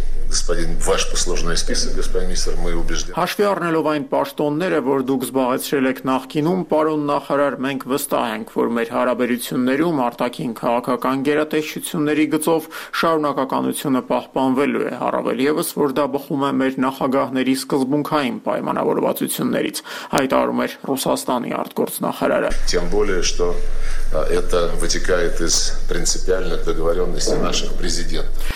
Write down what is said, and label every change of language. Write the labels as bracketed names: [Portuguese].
[Russian] Господин, ваш посложный список, господин министр, мы убеждены. [Armenian] Հաշվի առնելով այն պաշտոնները, որ դուք զբաղեցրել եք նախկինում, պարոն նախարար, մենք վստահ ենք, որ մեր հարաբերություններում արտաքին քաղաքական գերատեսչությունների գծով շարունակականությունը պահպանվելու է, առավել ևս, որ դա բխում է մեր նախագահների սկզբունքային պայմանավորվածություններից, հայտարարում է Ռուսաստանի արտգործնախարարը։ [Russian] Тем более, что это вытекает из принципиальных договорённостей наших президентов.